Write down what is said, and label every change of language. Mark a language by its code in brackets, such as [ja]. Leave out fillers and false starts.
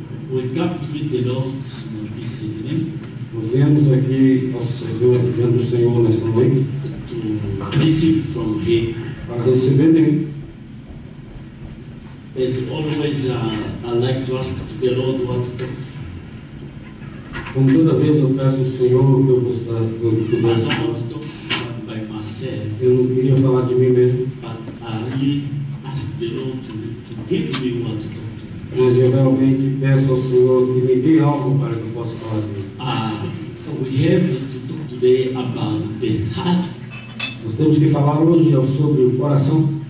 [en] We come to meet the Lord this morning. [pt] Nós viemos aqui ao Senhor, diante do Senhor nesta noite. [en] To receive from Him. [pt] Para receber dele. [en] As always, I like to ask to the Lord what to talk. [pt] Como toda vez eu peço ao Senhor que eu gostaria de conversar. [en] I want to talk by myself. [pt] Eu não queria falar de mim mesmo. [en] But I really ask the Lord to give me what to talk to. [pt] Mas eu realmente peço ao Senhor que me dê algo para que eu possa falar de mim. [en] We have to talk today about the heart. [pt] Nós temos que falar hoje sobre o coração.